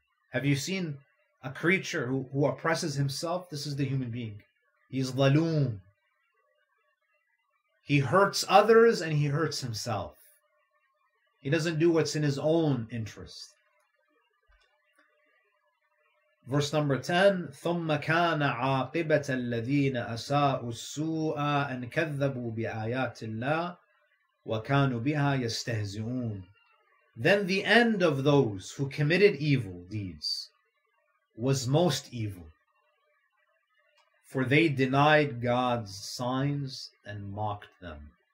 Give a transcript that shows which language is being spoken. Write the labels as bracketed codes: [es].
[en] Have you seen a creature who oppresses himself? This is the human being. He's zalum. He hurts others and he hurts himself. He doesn't do what's in his own interest. Verse number 10, [ar] ثُمَّ كَانَ عَاقِبَةَ الَّذِينَ أَسَاءُ السُّوءَ أَنْ كَذَّبُوا بِآيَاتِ اللَّهِ وَكَانُوا بِهَا يَسْتَهْزِئُونَ. [en] Then the end of those who committed evil deeds was most evil, for they denied God's signs and mocked them.